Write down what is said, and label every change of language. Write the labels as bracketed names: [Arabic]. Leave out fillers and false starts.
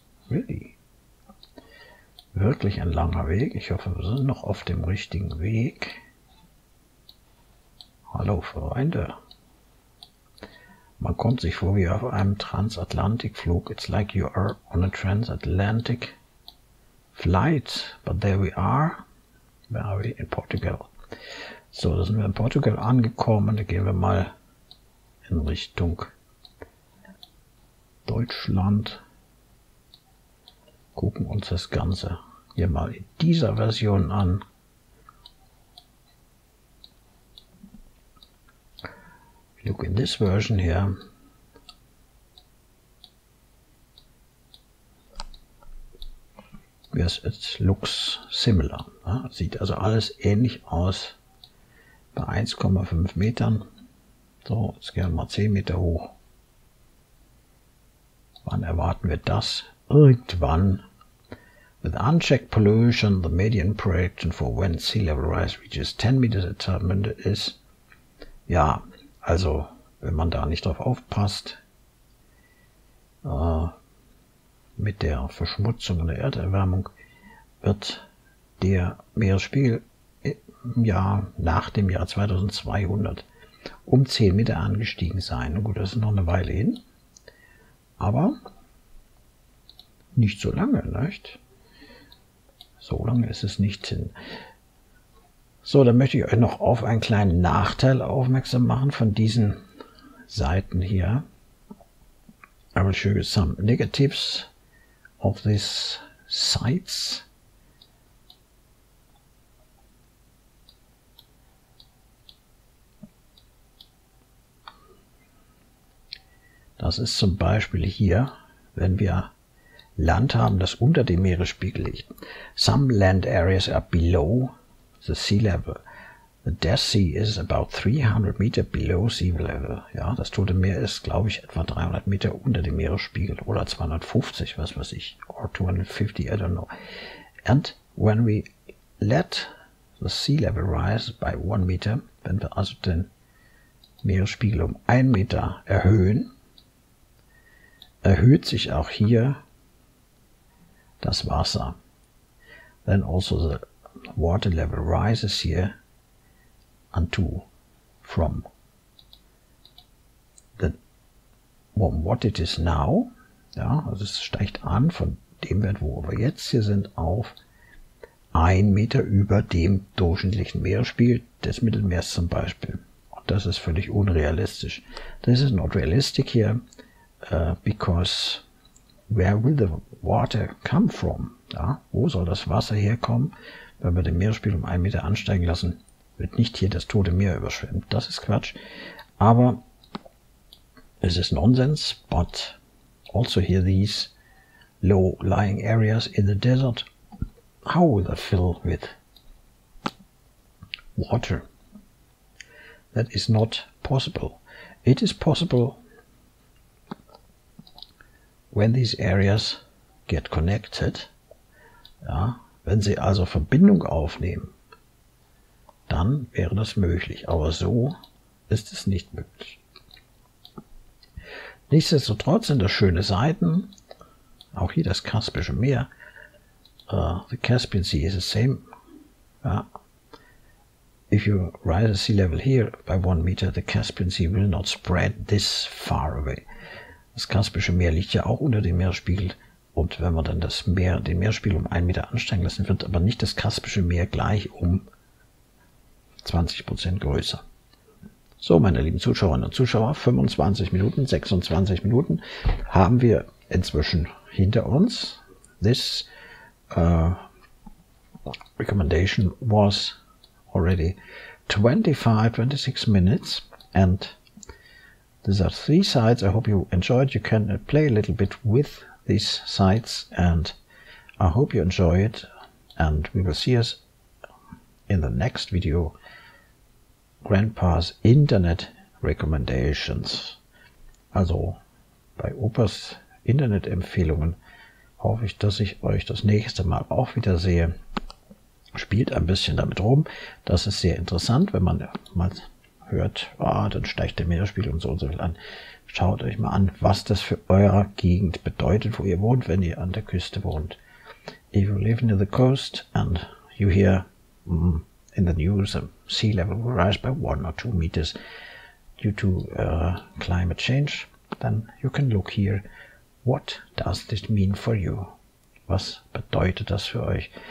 [English] Really? [German] Wirklich ein langer Weg. Ich hoffe, wir sind noch auf dem richtigen Weg. Hallo Freunde. Man kommt sich vor wie auf einem Transatlantikflug. [English] It's like you are on a transatlantic flight. But there we are. Where are we? In Portugal. [German] So, da sind wir in Portugal angekommen. Da gehen wir mal in Richtung Deutschland. Gucken uns das Ganze hier mal in dieser Version an. [English] Look in this version here. Yes, it looks similar. [German] Ja, sieht also alles ähnlich aus bei 1,5 Metern. So, jetzt gehen wir mal 10 Meter hoch. Wann erwarten wir das? Irgendwann. [English] With unchecked pollution, the median projection for when sea level rise reaches 10 meters at Zermatt is. [German] Ja, also, wenn man da nicht drauf aufpasst, mit der Verschmutzung und der Erderwärmung, wird der Meeresspiegel im Jahr nach dem Jahr 2200 um 10 Meter angestiegen sein. Und gut, das ist noch eine Weile hin, aber nicht so lange, nicht? So lange ist es nicht hin. So, dann möchte ich euch noch auf einen kleinen Nachteil aufmerksam machen von diesen Seiten hier. [English] I will show you some negatives of these sites. [German] Das ist zum Beispiel hier, wenn wir Land haben, das unter dem Meeresspiegel liegt. [English] Some land areas are below the sea level. The Dead Sea is about 300 meters below sea level. [German] Ja, das Tote Meer ist, glaube ich, etwa 300 Meter unter dem Meeresspiegel oder 250, was weiß ich, [English] or 250, I don't know. And when we let the sea level rise by 1 meter, [German] wenn wir also den Meeresspiegel um 1 Meter erhöhen, erhöht sich auch hier das Wasser. [English] Then also the water level rises here unto from the from what it is now. [German] Ja, also es steigt an von dem Wert, wo wir jetzt hier sind, auf 1 Meter über dem durchschnittlichen Meeresspiegel des Mittelmeers zum Beispiel. Und das ist völlig unrealistisch. [English] This is not realistic here. Because where will the water come from? [German] Ja, wo soll das Wasser herkommen? Wenn wir den Meeresspiegel um 1 Meter ansteigen lassen, wird nicht hier das Tote Meer überschwemmt. Das ist Quatsch. Aber es ist Nonsens. [English] But also here these low-lying areas in the desert. How will they fill with water? That is not possible. It is possible when these areas get connected, [German] ja, wenn sie also Verbindung aufnehmen, dann wäre das möglich. Aber so ist es nicht möglich. Nichtsdestotrotz sind das schöne Seiten. Auch hier das Kaspische Meer. [English] The Caspian Sea is the same. Ja. If you rise the sea level here by 1 meter, the Caspian Sea will not spread this far away. [German] Das Kaspische Meer liegt ja auch unter dem Meeresspiegel. Und wenn wir dann das Meer, den Meeresspiegel um 1 Meter ansteigen lassen, wird aber nicht das Kaspische Meer gleich um 20% größer. So, meine lieben Zuschauerinnen und Zuschauer, 26 Minuten haben wir inzwischen hinter uns. [English] This recommendation was already 25-26 minutes. And these are 3 sides. I hope you enjoyed. You can play a little bit with these sides. And I hope you enjoy it. And we will see us in the next video. Grandpa's Internet Recommendations. [German] Also bei Opas Internetempfehlungen hoffe ich, dass ich euch das nächste Mal auch wieder sehe. Spielt ein bisschen damit rum. Das ist sehr interessant, wenn man mal hört, oh, dann steigt der Meeresspiegel und so viel an. Schaut euch mal an, was das für eure Gegend bedeutet, wo ihr wohnt, wenn ihr an der Küste wohnt. [English] If you live near the coast and you hear in the news, a sea level will rise by 1 or 2 meters due to climate change, then you can look here. What does this mean for you? [German] Was bedeutet das für euch?